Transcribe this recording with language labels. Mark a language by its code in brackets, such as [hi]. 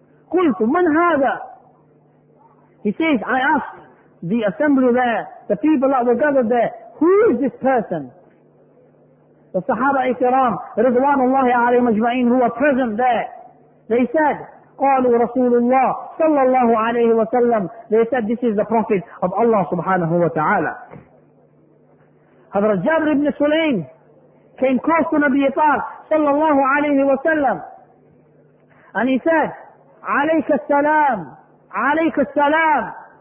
[ar] قُلْتُ مَنْ هَذَا. [en] He says, I asked the assembly there, the people that were gathered there, who is this person? The Sahaba ikram, Ridwanullahi alayhi majma'in, who were present there. They said, [ar] قالوا رسول الله صلى الله عليه وسلم. [en] They said, this is the Prophet of Allah subhanahu wa ta'ala. Hadrat Jabir ibn Sulaym came close to Nabi Pak [ar] صلى الله عليه وسلم. [en] And he said, [ar] عليك السلام. عليك السلام.